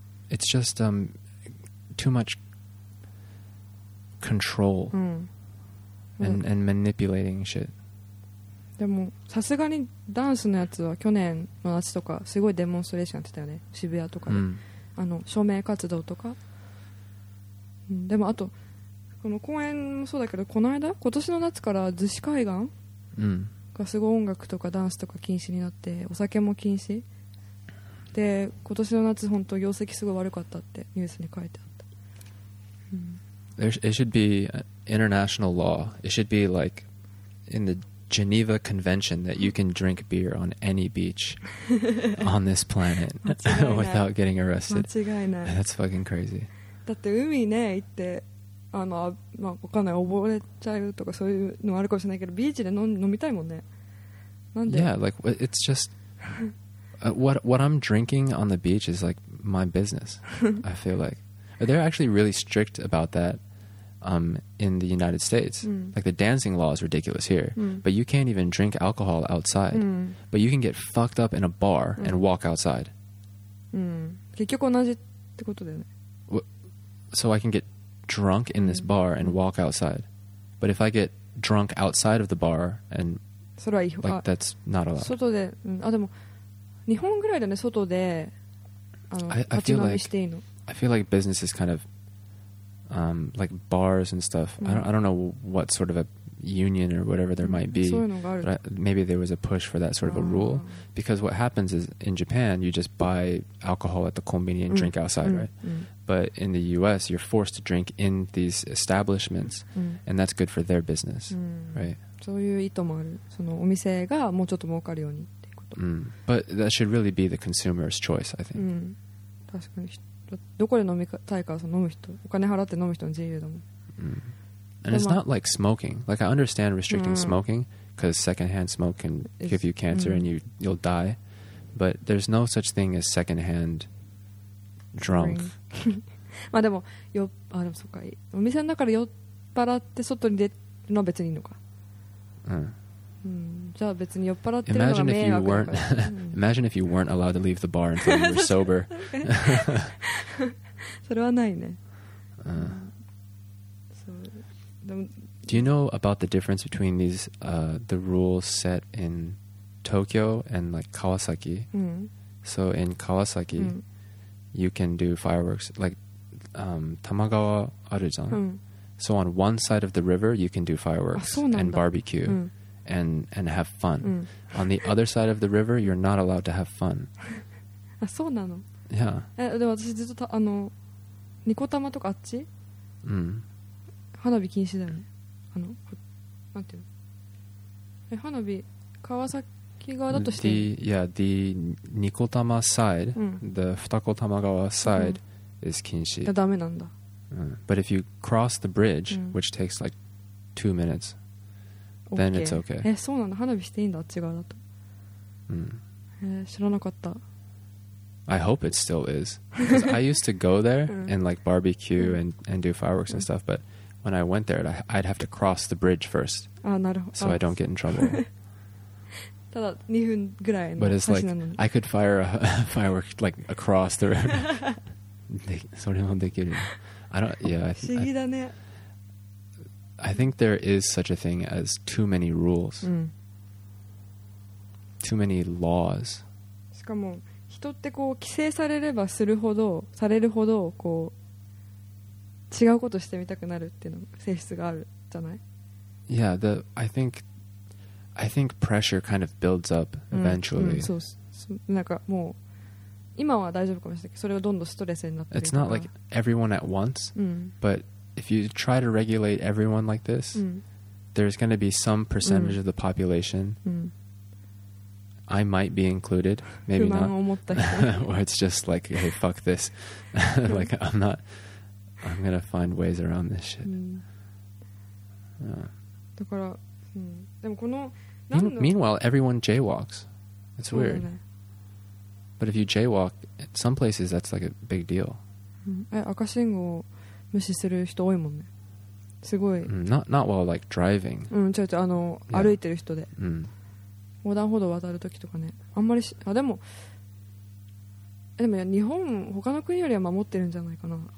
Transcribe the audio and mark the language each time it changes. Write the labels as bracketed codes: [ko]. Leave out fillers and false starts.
[en] It's just too much control and manipulating shit. [ja] でもさすがにダンスのやつは去年の夏とかすごいデモンストレーションやってたよね渋谷とかで、あの署名活動とか、でもあとこの公演もそうだけどこの間今年の夏から逗子海岸がすごい音楽とかダンスとか禁止になってお酒も禁止で今年の夏本当業績すごい悪かったってニュースに書いてあった、 [en] It should be international law. It should be like in theGeneva Convention that you can drink beer on any beach on this planet without getting arrested. [ja] 間違いない。 [en] That's fucking crazy. [ja] だって海ね行ってあのまあ分かんない溺れちゃうとかそういうのあるかもしれないけどビーチで飲みたいもんね。なんで [en] Yeah, like it's just what I'm drinking on the beach is like my business. I feel like they're actually really strict about that. In the United States, like the dancing law is ridiculous here, but you can't even drink alcohol outside. But you can get fucked up in a bar and walk outside. [ja] 結局同じってことだよね。 [en] So I can get drunk in this bar and walk outside, but if I get drunk outside of the bar and [ja] それはいい、 [en] like that's not allowed. [ja] 外で、あでも日本ぐらいだね。外で、立ち飲みしていいの。 I feel like business is kind of. Like bars and stuff. [en] I don't know what sort of a union or whatever there might be. Maybe there was a push for that sort of a rule. Because what happens is in Japan, you just buy alcohol at the konbini and drink outside, right? But in the US, you're forced to drink in these establishments, and that's good for their business, right? [ja] そういう意図もある。そのお店がもうちょっと儲かるようにっていうこと。 [en] But that should really be the consumer's choice, I think. [ja] 確かに。どこで飲みたいかその飲む人お金払って飲む人の自由だもん、 [en] And it's not like smoking. Like I understand restricting smoking because secondhand smoke can give you cancer and you'll die. But there's no such thing as secondhand drunk. [ja] まあでもよあでもそうかいお店の中で酔っ払って外に出るのは別にいいのか。じゃあ別に酔っ払ってるのは迷惑だから。 [en] Imagine if you weren't allowed to leave the bar until you were sober. [ja] それはないね。 [en] Do you know about the difference between these the rules set in Tokyo and like Kawasaki? So in Kawasaki, you can do fireworks like Tamagawa Arujan. So on one side of the river, you can do fireworks and barbecue. And have fun. On the other side of the river, you're not allowed to have fun. [ja] あ、そうなの? [en] Yeah. [ja] え、でも私ずっとた、あの、ニコタマとかあっち?花火禁止だよね。あの、なんていうの?え、花火、川崎側だとして? [en] The ニコタマ side, the 二子玉川 side is [ja] 禁止。ダメなんだ。 [en] But if you cross the bridge, which takes like 2 minutes,Then it's okay. [ja] そうなの花火していいんだあっち側だと。知らなかった。 [en] I hope it still is. Because I used to go there and like barbecue and do fireworks and stuff. But when I went there, I'd have to cross the bridge first. [ja] ああなるほど。 [en] So I don't get in trouble. [ja] ただ2分ぐらいの。 [en] But it's like I could fire a firework like across the river. [ja] それもできる。不思議だね。 [en] I think there is such a thing as too many rules. Too many laws. [ja] しかも人ってこう規制されればするほどされるほどこう違うことしてみたくなるっていうの性質があるじゃない? [en] Yeah, I think pressure kind of builds up eventually. [ja] そうそうなんかもう今は大丈夫かもしれないけどそれがどんどんストレスになってる。 [en] It's not like everyone at once, but If you try to regulate everyone like this, there's going to be some percentage of the population. I might be included, maybe not. Where it's just like, hey, fuck this. like, I'm not, I'm gonna find ways around this shit. [ja] だから、うん、でもこの、 [en] Meanwhile, everyone jaywalks. It's weird. But if you jaywalk, at some places, that's like a big deal. [ja] 赤信号を無視する人多いもんね。すごい。 [en] Not while like driving. [ja] うん、ちょっとあの、 [en] yeah. [ja] 歩いてる人で。 Mm. 横断歩道渡るときとかね。あんまりし、あ、でも、でも日本、他の国よりは守ってるんじゃないかな。